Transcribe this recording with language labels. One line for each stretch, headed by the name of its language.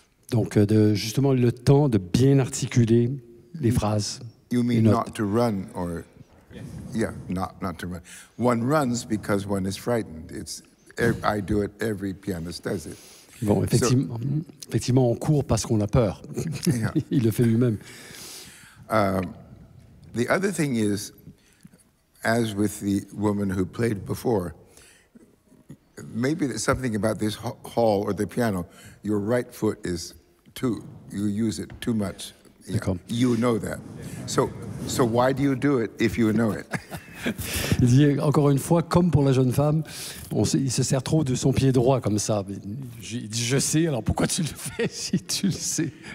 French: Donc, justement, le temps de bien articuler les phrases.
English: You mean not to run or... Yes. Yeah, not to run. One runs because one is frightened. I do it, every pianist does it.
French: Bon, effectivement, on court parce qu'on a peur. Yeah. Il le fait lui-même.
English: The other thing is, as with the woman who played before, maybe there's something about this hall or the piano, your right foot is too, you use it too much. Yeah. You know that. So why do you do it if you know it?
French: Il dit, encore une fois, comme pour la jeune femme, il se sert trop de son pied droit comme ça. Il dit, je sais, alors pourquoi tu le fais si tu le sais?